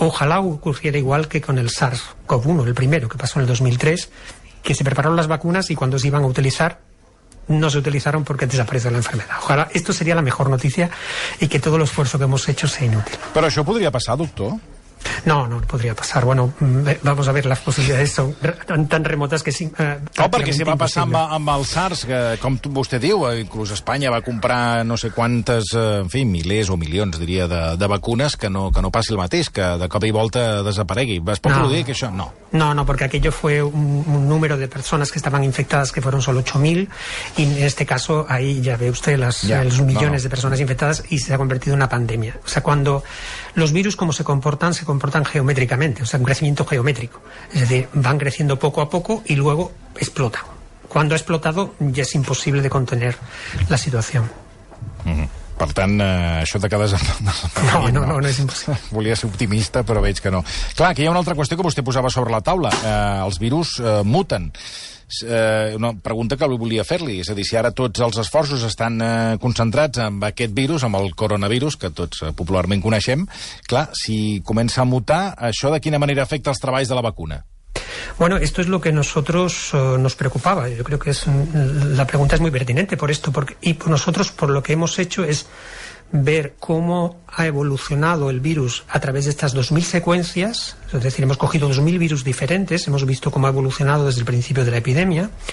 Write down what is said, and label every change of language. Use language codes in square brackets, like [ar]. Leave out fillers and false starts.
[es] Ojalá ocurriera igual que con el SARS-CoV-1, el primero, que pasó en el 2003, que se prepararon las vacunas y cuando se iban a utilizar, no se utilizaron porque desapareció la enfermedad. Ojalá esto sería la mejor noticia y que todo el esfuerzo que hemos hecho sea inútil. Pero eso podría pasar, doctor. [ca] No podría passar. [es] Bueno, vamos a ver, [ca] les possibilitats són tan remotes que sí. Perquè si va passar amb el SARS, que, com vostè diu, inclús Espanya va comprar no sé quantes, en fi, milers o milions, diria, de vacunes, que no passi el mateix, que de cop i volta desaparegui. Es pot produir que això? No. [es] No, porque aquello fue un número de personas que estaban infectadas que fueron solo 8.000, y en este caso ahí ya ve usted los millones de personas infectadas y se ha convertido en una pandemia. O sea, cuando los virus, ¿cómo se comportan geométricamente, o sea, un crecimiento geométrico, es decir, van creciendo poco a poco y luego explotan. Cuando ha explotado ya es imposible de contener la situación. [ca] Per tant, això de quedar... No, és impossible. Volia ser optimista, però veig que no. Clar, aquí hi ha una altra qüestió que vostè posava sobre la taula. Els virus muten. Una pregunta que volia fer-li. És a dir, si ara tots els esforços estan concentrats en aquest virus, amb el coronavirus, que tots popularment coneixem, clar, si comença a mutar, això de quina manera afecta els treballs de la vacuna? [es] Bueno, esto es lo que nosotros nos preocupaba. Yo creo que la pregunta es muy pertinente por esto. Por lo que hemos hecho es ver cómo ha evolucionado el virus a través de estas 2.000 secuencias. Es decir, hemos cogido 2.000 virus diferentes, hemos visto cómo ha evolucionado desde el principio de la epidemia.